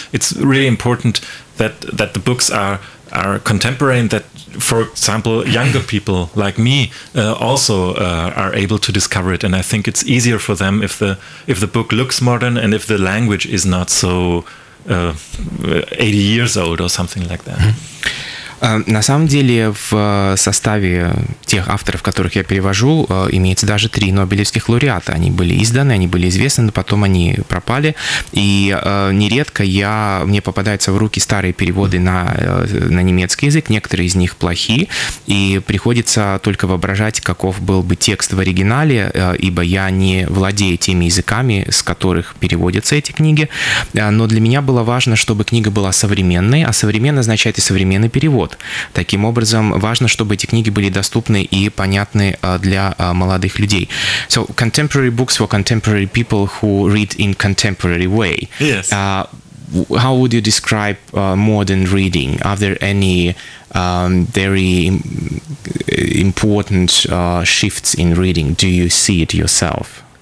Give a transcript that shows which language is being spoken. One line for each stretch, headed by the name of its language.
English: It's really important that the books are contemporary, and that, for example, younger people like me also are able to discover it. And I think it's easier for them if the book looks modern and if the language is not so 80 years old or something like that.
Russian: На самом деле, в составе тех авторов, которых я перевожу, имеется даже три нобелевских лауреата. Они были изданы, они были известны, но потом они пропали. И нередко мне попадаются в руки старые переводы на немецкий язык. Некоторые из них плохи, и приходится только воображать, каков был бы текст в оригинале, ибо я не владею теми языками, с которых переводятся эти книги. Но для меня было важно, чтобы книга была современной, а современный означает и современный перевод. Таким образом, важно, чтобы эти книги были доступны и понятны для молодых людей.
English: So, contemporary books for contemporary people who read in contemporary way. Yes. How would you describe modern reading? Are there any very important shifts in reading? Do you see it yourself?